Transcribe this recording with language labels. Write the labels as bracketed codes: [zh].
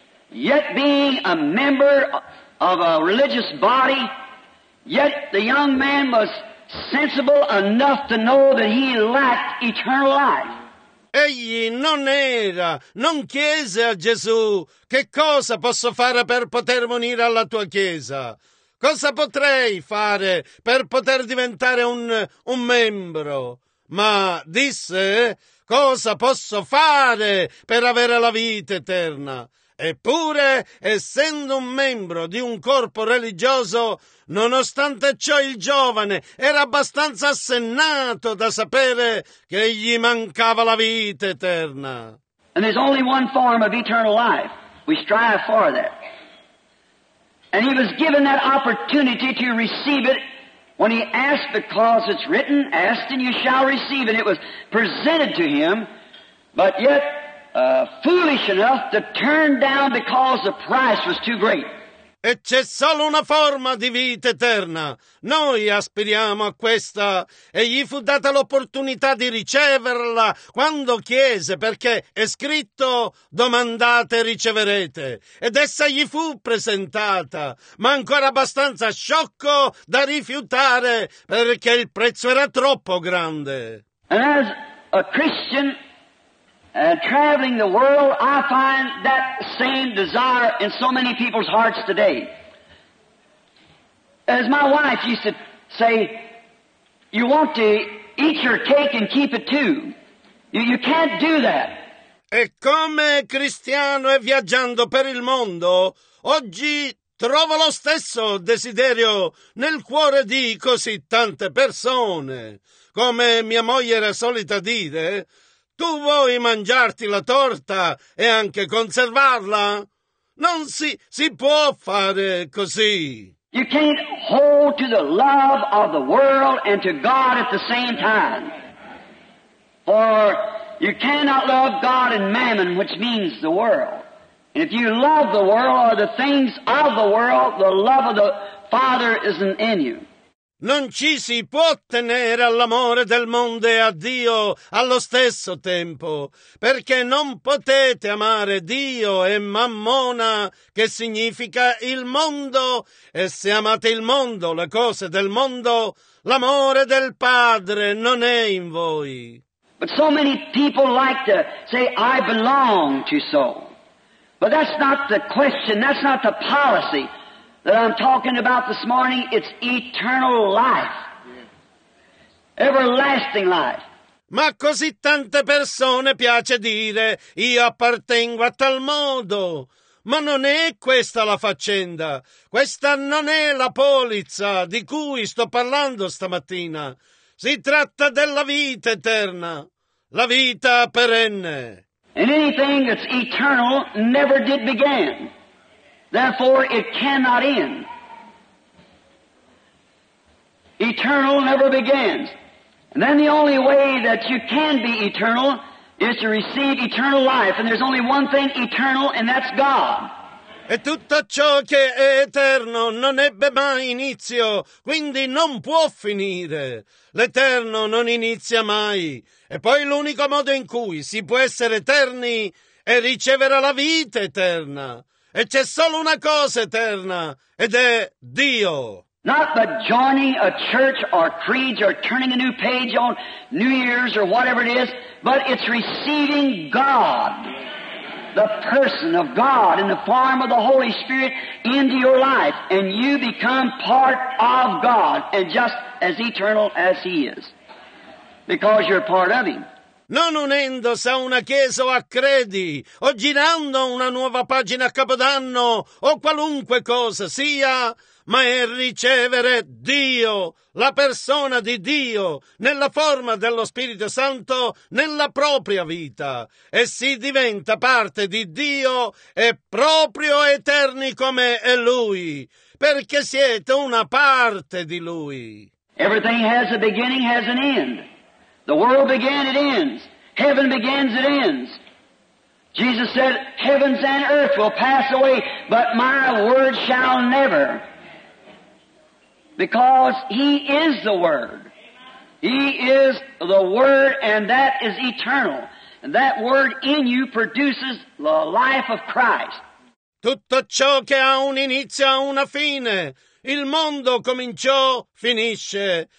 [en] Yet being a member of a religious body, yet the young man was sensible enough to know that he lacked eternal life. [it] Egli non chiese a Gesù, che cosa posso fare per poter unire alla tua chiesa? Cosa potrei fare per poter diventare un membro? Ma disse, cosa posso fare per avere la vita eterna? Eppure, essendo un membro di un corpo religioso, nonostante ciò il giovane era abbastanza assennato da sapere che gli mancava la vita eterna. [en] And there's only one form of eternal life. We strive for that. And he was given that opportunity to receive it when he asked, because it's written, ask and you shall receive. And it was presented to him, but yet foolish enough to turn down because the price was too great. [it] E c'è solo una forma di vita eterna. Noi aspiriamo a questa. E gli fu data l'opportunità di riceverla quando chiese, perché è scritto, domandate e riceverete. Ed essa gli fu presentata, ma ancora abbastanza sciocco da rifiutare, perché il prezzo era troppo grande. [en] And as a Christian, traveling the world, I find that same desire in so many people's hearts today. As my wife used to say, you want to eat your cake and keep it too. You can't do that. [it] E come cristiano e viaggiando per il mondo, oggi trovo lo stesso desiderio nel cuore di così tante persone. Come mia moglie era solita dire, tu vuoi mangiarti la torta e anche conservarla? Non si può fare così. [en] You can't hold to the love of the world and to God at the same time. For you cannot love God and mammon, which means the world. If you love the world or the things of the world, the love of the Father isn't in you. [it] Non ci si può tenere all'amore del mondo e a Dio allo stesso tempo, perché non potete amare Dio e Mammona, che significa il mondo, e se amate il mondo, le cose del mondo, l'amore del Padre non è in voi. [en] But so many people like to say, I belong to so. But that's not the question, that's not the policy that I'm talking about this morning. It's eternal life, everlasting life. [it] Ma così tante persone piace dire, io appartengo a tal mondo. Ma non è questa la faccenda. Questa non è la polizza di cui sto parlando stamattina. Si tratta della vita eterna, la vita perenne. [en] And anything that's eternal never did begin. Therefore, it cannot end. Eternal never begins. And then the only way that you can be eternal is to receive eternal life. And there's only one thing eternal, and that's God. [it] E tutto ciò che è eterno non ebbe mai inizio, quindi non può finire. L'eterno non inizia mai. E poi l'unico modo in cui si può essere eterni è ricevere la vita eterna. E c'è solo una cosa eterna, ed è Dio. [en] Not but joining a church or creeds or turning a new page on New Year's or whatever it is, but it's receiving God, the person of God in the form of the Holy Spirit into your life, and you become part of God and just as eternal as He is, because you're part of Him. [it] Non unendosi a una chiesa o a credi, o girando una nuova pagina a Capodanno, o qualunque cosa sia, ma è ricevere Dio, la persona di Dio, nella forma dello Spirito Santo, nella propria vita. E si diventa parte di Dio e proprio eterni come è Lui, perché siete una parte di Lui. [en] Everything has a beginning, has an end. The world began, it ends. Heaven begins, it ends. Jesus said, heavens and earth will pass away, but my word shall never. Because He is the Word. He is the Word, and that is eternal. And that Word in you produces the life of Christ. [it] Tutto ciò che ha un inizio ha una fine. Il mondo cominciò, finisce.